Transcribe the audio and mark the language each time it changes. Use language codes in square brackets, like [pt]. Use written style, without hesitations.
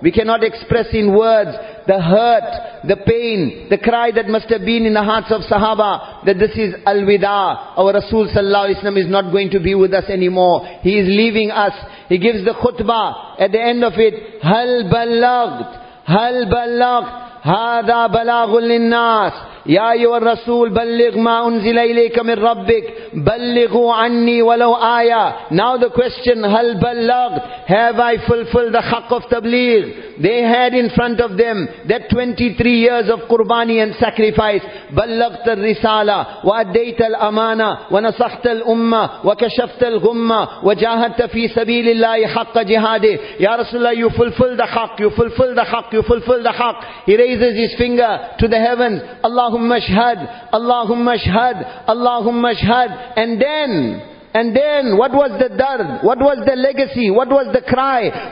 [en] We cannot express in words the hurt, the pain, the cry that must have been in the hearts of Sahaba, that this is al-wida. Our Rasul sallallahu alaihi wasallam is not going to be with us anymore. He is leaving us. He gives the khutbah. At the end of it, hal ballaght, hal ballaght. [ar] هذا بلاغ للناس يا أيها الرسول بلغ ما أنزل إليك من ربك بلغوا عني ولو آية. [en] Now the question, هل بلغت, have I fulfilled the haqq of tabligh? They had in front of them that 23 years of qurbani and sacrifice. [ar] بلغت الرسالة وأديت الأمانة ونصحت الأمة وكشفت الغمة وجاهدت في سبيل الله حق جهاده. [en] يا رسول الله, you fulfill the haqq, you fulfill the haqq, you fulfill the haqq. Raises his finger to the heavens. Allahumma shahad, Allahumma shahad, Allahumma shahad. And then And then what was the dard? What was the legacy? What was the cry?